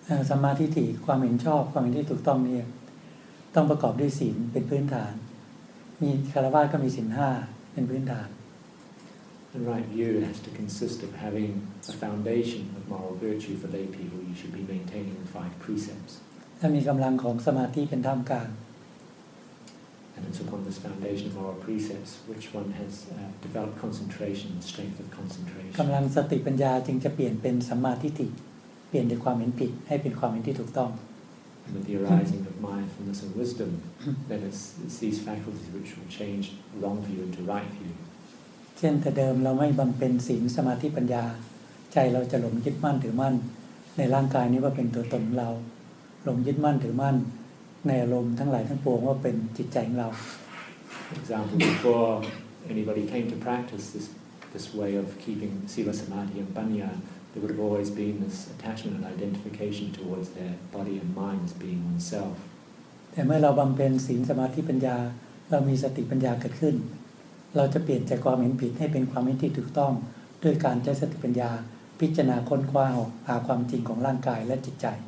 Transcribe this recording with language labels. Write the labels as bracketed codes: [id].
[th] Samadhi ti, ความเห็นชอบความเห็นที่ถูกต้องเนี่ยต้องประกอบด้วยศีลเป็นพื้นฐานมีคารวะก็มีศีล5เป็นพื้นฐาน [en] The right view has to consist of having a foundation of moral virtue for lay people. You should be maintaining the 5 precepts. [th] ถ้ามีกำลังของสมาธิเป็นท่ามกลาง [en] And it's upon this foundation of moral precepts which one has developed concentration and strength of concentration. [th] กำลังสติปัญญาจึงจะเปลี่ยนเป็นสัมมาทิฏฐิเปลี่ยนจากความเห็นผิดให้เป็นความเห็นที่ถูกต้อง [en] And with the arising of mindfulness and wisdom, then it's these faculties which will change wrong view into right view. [th] เช่นแต่เดิมเราไม่บำเพ็ญศีลสมาธิปัญญาใจเราจะหลงยึดมั่นถือมั่นในร่างกายนี้ว่าเป็นตัวตนเราหลงยึดมั่นถือมั่นในอารมณ์ทั้งหลายทั้งปวงว่าเป็นจิตใจของเรา [en] example before anybody came to practice this way of keeping sila samadhi and panya there would have always been this attachment and identification towards their body and mind as being oneself [th] แต่เมื่อเราบำเพ็ญศีลสมาธิปัญญาเรามีสติปัญญาเกิดขึ้นเราจะเปลี่ยนจากความเห็นผิดให้เป็นความเห็นที่ถูกต้องด้วยการใช้สติปัญญาพิจารณาค้นคว้าหาความจริงของร่างกายและจิตใจ